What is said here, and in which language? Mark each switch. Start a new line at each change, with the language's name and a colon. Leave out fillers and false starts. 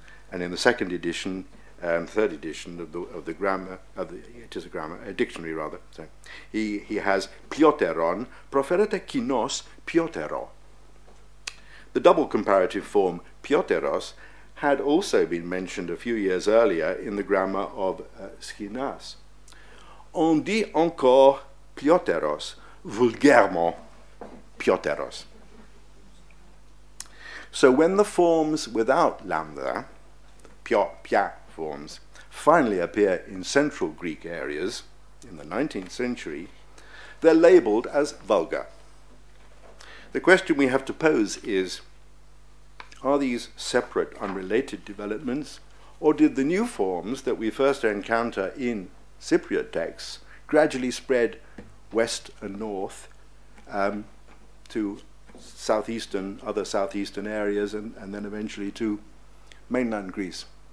English: And in the second edition, third edition of the grammar, of the, it is a grammar, a dictionary rather, so he has πιότερον,
Greek: προφέρεται κοινός πιότερο.
English: The double comparative form πιότερος had also been mentioned a few years earlier in the grammar of Skinas.
French: On dit encore πιότερος, vulgairement πιότερος.
English: So when the forms without lambda, pio, pia forms, finally appear in central Greek areas in the 19th century, they're labelled as vulgar. The question we have to pose is, are these separate, unrelated developments, or did the new forms that we first encounter in Cypriot texts gradually spread west and north to southeastern, other southeastern areas, and then eventually to mainland Greece?